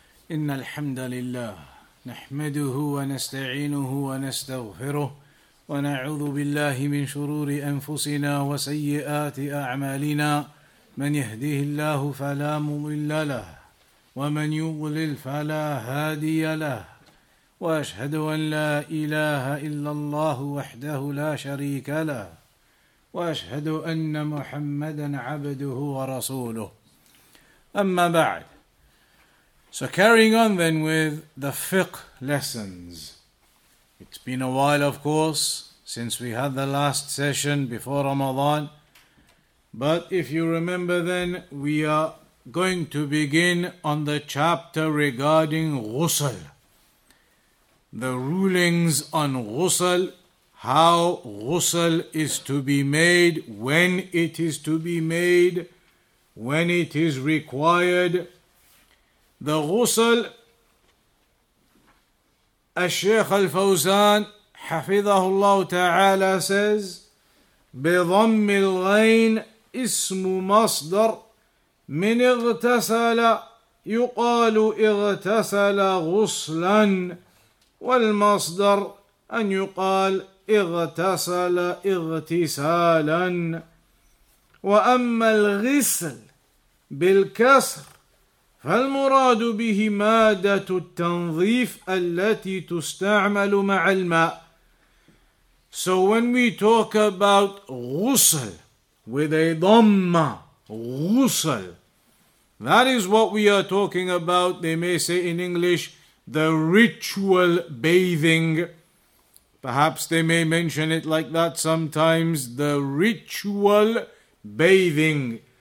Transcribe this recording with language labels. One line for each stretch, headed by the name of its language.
Arabic: إن الحمد لله نحمده ونستعينه ونستغفره ونعوذ بالله من شرور أنفسنا وسيئات أعمالنا من يهده الله فلا مضل له ومن يضلل فلا هادي له وأشهد أن لا إله إلا الله وحده لا شريك له وأشهد أن محمدا عبده ورسوله أما بعد.
English: So carrying on then with the fiqh lessons. It's been a while, of course, since we had the last session before Ramadan. But if you remember then, we are going to begin on the chapter regarding ghusl. The rulings on ghusl, how ghusl is to be made, when it is to be made, when it is required. The ghusl,
Arabic: الشيخ الفوزان حفظه الله تعالى says, بضم الغين اسم مصدر من اغتسل يقال اغتسل غسلا والمصدر أن يقال اغتسل اغتسالا وأما الغسل بالكسر فالمراد به مادة التنظيف التي تستعمل مع الماء.
English: So when we talk about ghusl with a dhamma, ghusl, that is what we are talking about. They may say in English, the ritual bathing. Perhaps they may mention it like that sometimes, the ritual bathing.